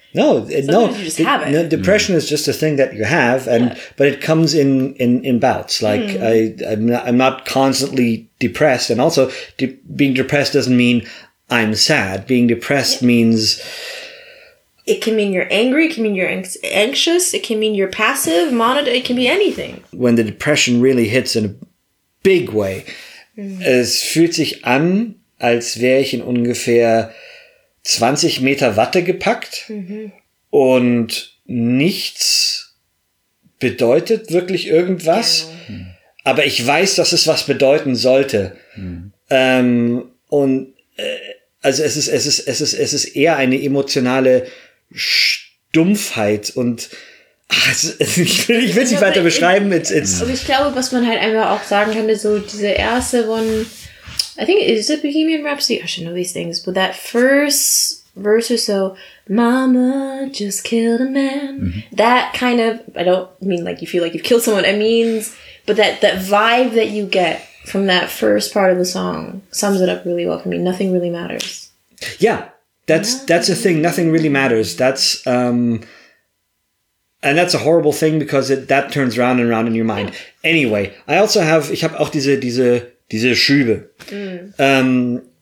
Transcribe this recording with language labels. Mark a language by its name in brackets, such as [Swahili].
[English] No, depression is just a thing that you have, but it comes in bouts. Like I'm not constantly depressed, and also being depressed doesn't mean I'm sad. Being depressed means it can mean you're angry, it can mean you're anxious, it can mean you're passive, it can be anything. When the depression really hits in a big way, [German] es fühlt sich an, als wäre ich in ungefähr 20 Meter Watte gepackt und nichts bedeutet wirklich irgendwas, aber ich weiß, dass es was bedeuten sollte. Es ist eher eine emotionale Stumpfheit und ich will es nicht weiter beschreiben. Ich glaube, was man halt einfach auch sagen kann, so diese erste von [English] I think it is a Bohemian Rhapsody. I should know these things. But that first verse or so, Mama just killed a man. Mm-hmm. That kind of, I don't mean like you feel like you've killed someone. It means, but that vibe that you get from that first part of the song sums it up really well for me. Nothing really matters. Yeah, that's a thing. Nothing really matters. That's, and that's a horrible thing because that turns round and round in your mind. Yeah. Anyway, I also have, [German] ich habe auch diese Schübe. Mm.